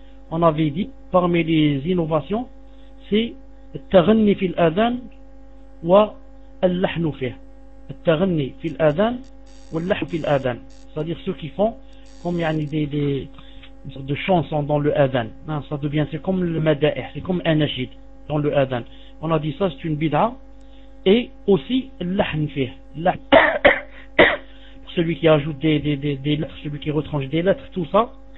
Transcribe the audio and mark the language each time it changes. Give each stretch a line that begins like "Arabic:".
French: On avait dit, parmi les innovations, c'est
Arabic: التغني في الأذان واللحن فيه. التغني في الأذان واللحن في الأذان.
French: C'est-à-dire ceux qui font comme يعني des chansons dans le Adhan. Ça devient, c'est comme le Madaih, c'est comme un Anashid dans le Adhan. On a dit ça, c'est une bid'a. Et aussi
Arabic: اللحن فيه. اللحن.
French: Celui qui ajoute des lettres, celui qui retranche des lettres, tout ça.